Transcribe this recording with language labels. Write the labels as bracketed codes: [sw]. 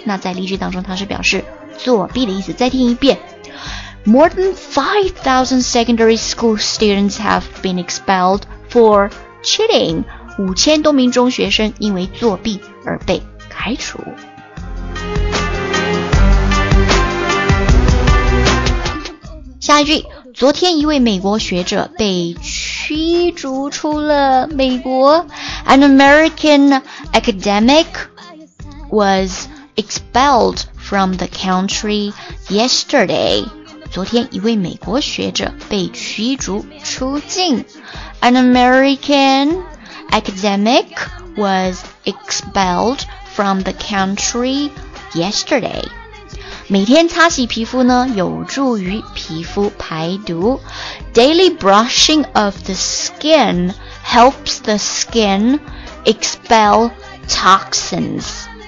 [zh] 那在例句当中它是表示作弊的意思。再听一遍。 [en] More than 5,000 secondary school students have been expelled for cheating. [zh] 5,000 多名中学生因为作弊而被开除。下一句，昨天一位美国学者被驱逐出了美国。 [en] An American academic was expelled from the country yesterday. [zh] 昨天一位美国学者被驱逐出境。 [en] An American academic was expelled from the country yesterday. [zh] 每天擦洗皮肤呢，有助于皮肤排毒。 [en] Daily brushing of the skin helps the skin expel toxins.